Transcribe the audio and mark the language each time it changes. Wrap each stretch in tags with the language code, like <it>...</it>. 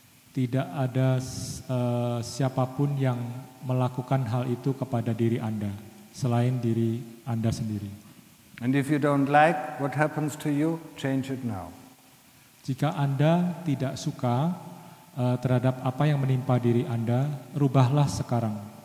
<id>Tidak ada siapapun yang melakukan hal itu kepada diri Anda selain diri Anda sendiri.</id> <en>And if you don't like what happens to you, change it now.</en> <id>Jika Anda tidak suka terhadap apa yang menimpa diri Anda, rubahlah sekarang.</id>